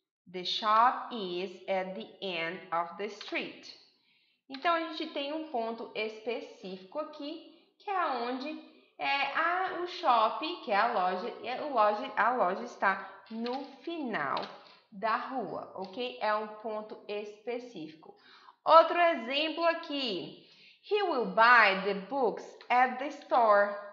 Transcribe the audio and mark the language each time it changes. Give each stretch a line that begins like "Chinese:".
English: The shop is at the end of the street.
Portuguese: Então, a gente tem um ponto específico aqui, que é onde é o shopping, que é a loja, e a loja está no final da rua, ok? É um ponto específico. Outro exemplo aqui.
English: He will buy the books at the store.